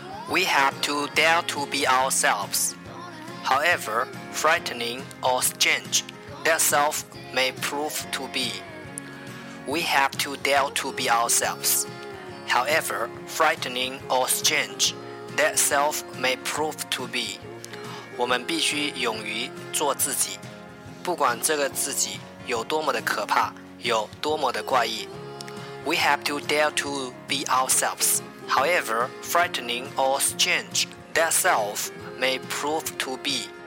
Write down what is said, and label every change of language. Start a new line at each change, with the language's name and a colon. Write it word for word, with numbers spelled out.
English: We have to dare to be ourselves. However frightening or strange that self may prove to be. We have to dare to be ourselves. However frightening or strange that self may prove to be.
Chinese: 我们必须勇于做自己，不管这个自己有多么的可怕，有多么的怪异。
English: We have to dare to be ourselves. However frightening or strange that self may prove to be.